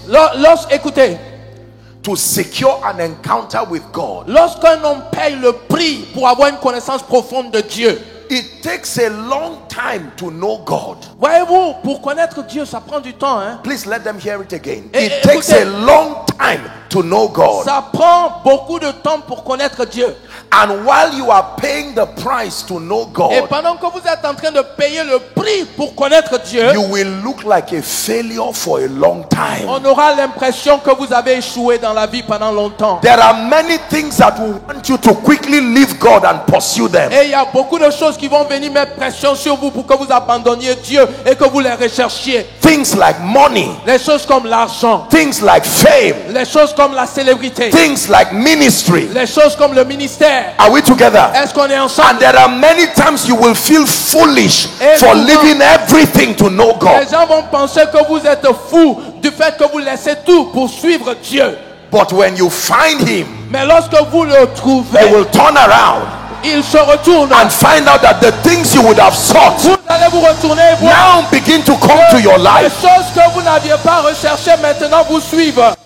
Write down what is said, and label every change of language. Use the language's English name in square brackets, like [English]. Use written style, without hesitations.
[French] Écoutez. [English] To secure an encounter with God. [French] Lorsqu'un homme paye le prix pour avoir une connaissance profonde de Dieu. [English] It takes a long time to know God. [French] Voyez-vous, pour connaître Dieu, ça prend du temps, hein? [English] Please let them hear it again. It takes a long time to know God. [French] Ça prend beaucoup de temps pour connaître Dieu. [English] And while you are paying the price to know God, [French] et pendant que vous êtes en train de payer le prix pour connaître Dieu, [English] you will look like a failure for a long time. [French] On aura l'impression que vous avez échoué dans la vie pendant longtemps. [English] There are many things that will want you to quickly leave God and pursue them. [French] Et il y a beaucoup de choses qui vont venir mettre pression sur vous pour que vous abandonniez Dieu et que vous les recherchiez. [English] Things like money. [French] Les choses comme l'argent. [English] Things like fame. [French] Les choses comme la célébrité. [English] Things like ministry. [French] Les choses comme le ministère. [English] Are we together? [French] Est-ce qu'on est ensemble? [English] And there are many times you will feel foolish for leaving everything to know God. [French] Les gens vont penser que vous êtes fou du fait que vous laissez tout pour suivre Dieu. [English] But when you find him, [French] mais lorsque vous le trouvez, [English] they will turn around. [French] Il se retourne. [English] And find out that the things you would have sought, [French] vous allez vous retourner, vous [English] now begin to come to your life. [French] Les choses que vous n'aviez pas recherchées maintenant vous suivent.